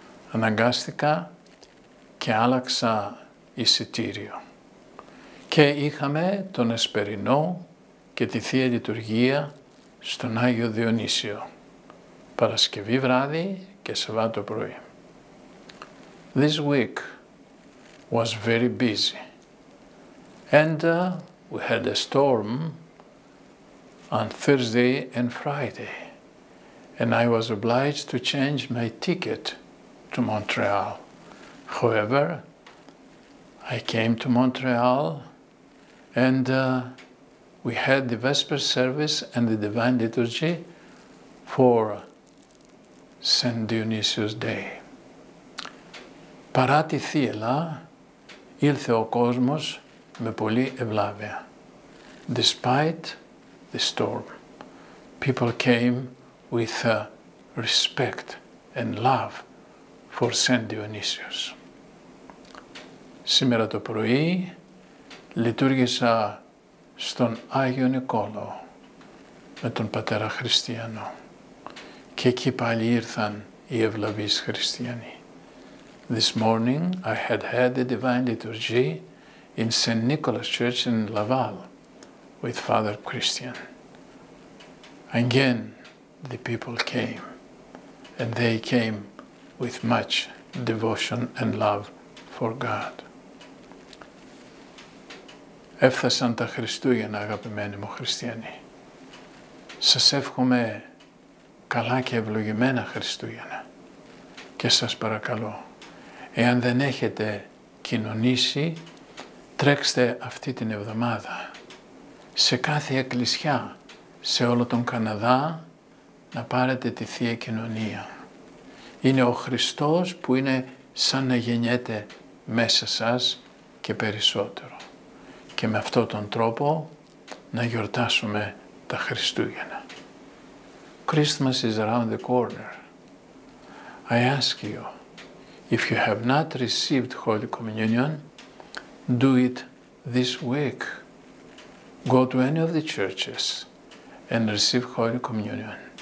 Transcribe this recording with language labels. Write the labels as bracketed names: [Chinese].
[Greek] Αναγκάστηκα και άλλαξα εισιτήριο. Και είχαμε τον Εσπερινό και τη Θεία Λειτουργία στον Άγιο Διονύσιο, Παρασκευή βράδυ και Σαββάτο πρωί. [English] This week was very busy, and we had a storm on Thursday and Friday, and I was obliged to change my ticket to Montreal. However, I came to Montreal, and we had the Vesper service and the Divine Liturgy for Saint Dionysius Day. [Greek] Παρά τη θύελα, ήλθε ο κόσμος με πολύ ευλάβεια. [English] Despite the storm, people came with respect and love for Saint Dionysius. [Greek] Σήμερα το πρωί λειτουργήσα στον Άγιο Νικόλαο με τον Πατέρα Χριστιανό και εκεί πάλι ήρθαν οι ευλαβείς Χριστιανοί. [English] This morning I had the Divine Liturgy in St. Nicholas Church in Laval with Father Christian. Again, the people came, and they came with much devotion and love for God. [Greek] Έφτασαν τα Χριστούγεννα, αγαπημένοι μου Χριστιανοί. Σας εύχομαι καλά και ευλογημένα Χριστούγεννα και σας παρακαλώ, εάν δεν έχετε κοινωνήσει, τρέξτε αυτή την εβδομάδα σε κάθε εκκλησιά σε όλο τον Καναδά να πάρετε τη Θεία Κοινωνία. Είναι ο Χριστός που είναι σαν να γεννιέται μέσα σας και περισσότερο. Και με αυτόν τον τρόπο να γιορτάσουμε τα Χριστούγεννα. [English] Christmas is around the corner. I ask you, if you have not received Holy Communion, do it this week. Go to any of the churches and receive Holy Communion.